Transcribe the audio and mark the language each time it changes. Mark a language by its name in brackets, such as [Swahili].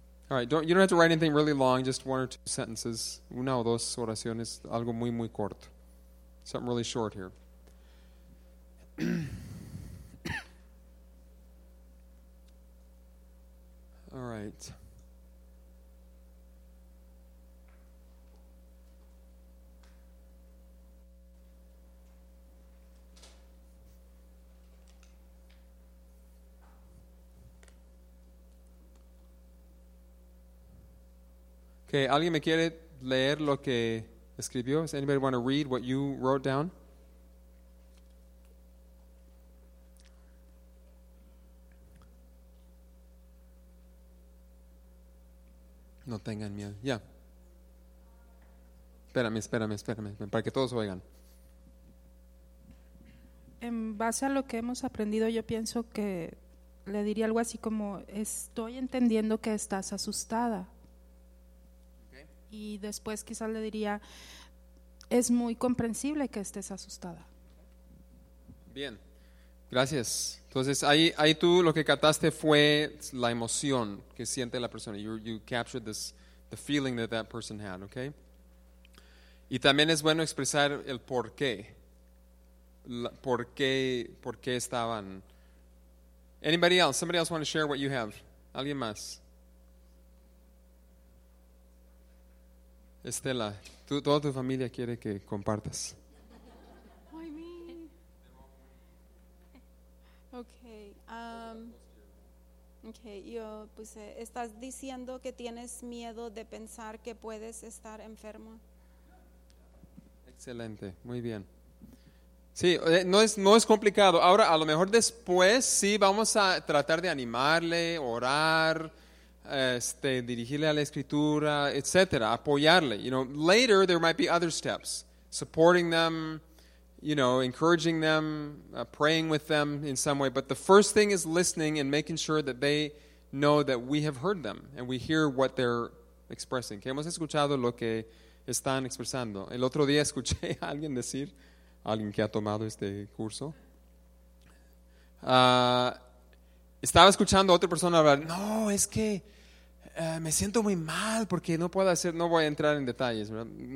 [English] All right, you don't have to write anything really long, just one or two sentences. [Spanish] Una o dos oraciones, algo muy, muy corto. [English] Something really short here. All right. [Spanish] Okay, ¿alguien me quiere leer lo que escribió? [English] Does anybody want to read what you wrote down? [Spanish] No tengan miedo. Yeah. Espérame, para que todos oigan. En base a lo que hemos aprendido, yo pienso que le diría algo así como, estoy entendiendo que estás asustada. Okay. Y después quizás le diría, es muy comprensible que estés asustada. Bien, gracias. Entonces, ahí tú lo que captaste fue la emoción que siente la persona. You captured this, the feeling that person had, okay? Y también es bueno expresar el por qué. Por qué estaban. [English] Anybody else? Somebody else want to share what you have? [Spanish] ¿Alguien más? Estela, tú, toda tu familia quiere que compartas. [English] Why me? Okay. [Spanish] Yo puse, estás diciendo que tienes miedo de pensar que puedes estar enfermo. Excelente, muy bien. Sí, no es complicado. Ahora, a lo mejor después sí vamos a tratar de animarle, orar, dirigirle a la escritura, etcétera, apoyarle. [English] You know, later there might be other steps, supporting them, you know, encouraging them, praying with them in some way. But the first thing is listening and making sure that they know that we have heard them and we hear what they're expressing. [Spanish] Que hemos escuchado lo que están expresando. El otro día escuché a alguien decir, alguien que ha tomado este curso, estaba escuchando a otra persona hablar, no, es que me siento muy mal porque no puedo hacer, no voy a entrar en detalles, ¿verdad?